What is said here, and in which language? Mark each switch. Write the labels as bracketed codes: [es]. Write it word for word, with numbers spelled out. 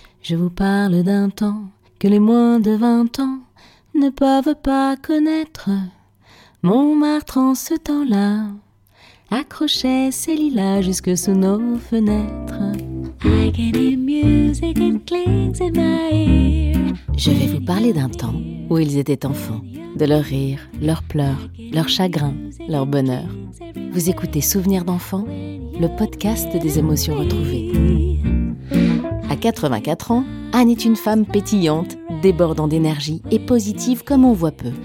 [fr] Je vous parle d'un temps que les moins de vingt ans ne peuvent pas connaître. Montmartre en ce temps-là accrochait ses lilas jusque sous nos fenêtres. [en] I get the music, it clings in my ear. [fr] Je vais vous parler d'un temps où ils étaient enfants, de leurs rires, leurs pleurs, leurs chagrins, leurs bonheurs. Vous écoutez Souvenirs d'enfants, le podcast des émotions retrouvées. À quatre-vingt-quatre ans, Anne est une femme pétillante, débordant d'énergie et positive comme on voit peu.